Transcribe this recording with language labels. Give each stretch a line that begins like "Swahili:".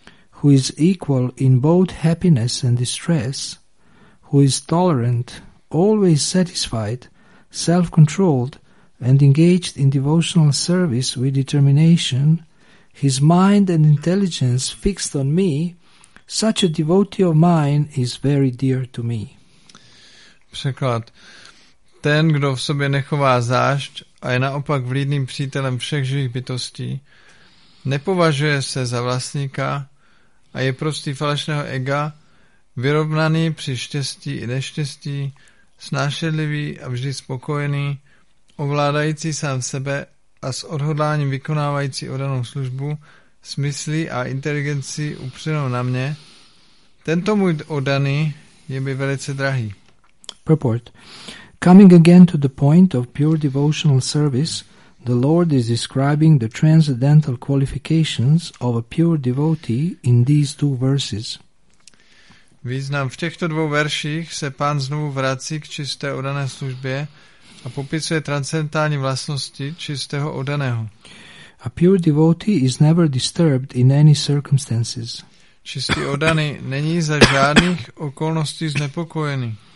English: who is equal in both happiness and distress, who is tolerant, always satisfied, self-controlled, and engaged in devotional service with determination, his mind and intelligence fixed on me, such a devotee of mine is very dear to me.
Czech: Překlad. Ten, kdo v sobě nechová zášť a je naopak vlídným přítelem všech živých bytostí, nepovažuje se za vlastníka a je prostý falešného ega, vyrovnaný při štěstí i neštěstí, snášenlivý a vždy spokojený, ovládající sám sebe a s odhodláním vykonávající odanou službu, s myslí a inteligencí upřenou na mě, tento můj oddaný je mi velice drahý.
English: Purport. Coming again to the point of pure devotional service, the Lord is describing the transcendental qualifications of a pure devotee in these two verses.
Czech: Význam. V těchto dvou verších se pán znovu vrací k čisté oddané službě a popisuje transcendentální vlastnosti čistého oddaného.
English: A pure devotee is never disturbed in any circumstances.
Czech: Čistý oddaný není za žádných okolností znepokojený.